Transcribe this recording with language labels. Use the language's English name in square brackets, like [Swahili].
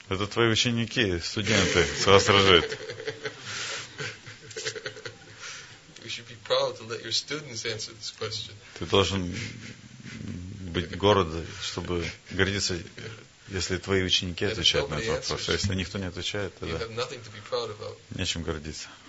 [Russian] Это твои ученики, студенты, Сахасраджит. [English] You should be proud to let your students answer this question. [Russian] Ты должен быть горд, чтобы гордиться, если твои ученики отвечают на этот вопрос. Если никто не отвечает, тогда нечем гордиться.